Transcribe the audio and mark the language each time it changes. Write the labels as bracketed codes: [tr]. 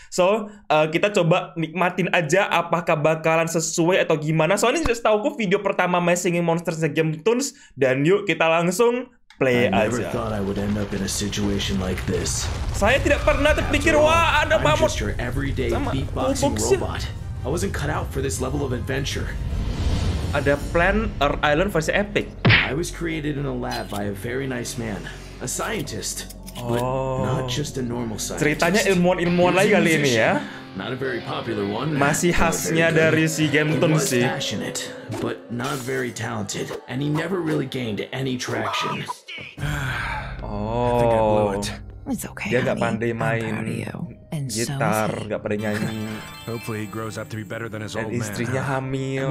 [id] So kita coba nikmatin aja apakah bakalan sesuai atau gimana. Soalnya sudah setauku video pertama My Singing Monsters GameToons, dan yuk kita langsung play aja. Saya tidak pernah terpikir wah ada mamut sama robot. [en] I wasn't cut out for this level of adventure. [id] Ada plan Earth Island versi epic. [en] I was created in a lab by a very nice man, a scientist. Oh, not just a normal scientist. [id] Ceritanya ilmuwan-ilmuwan lagi kali ini ya. [en] Not a very popular one. [id] Masih khasnya dari si GameToons sih. [en] He was passionate, but not very talented, and he never really gained any traction. Oh, it's okay. [id] Dia gak pandai main gitar, gak pandai nyanyi. [en] Hopefully he grows up to be better than his old man. [id] Istrinya hamil.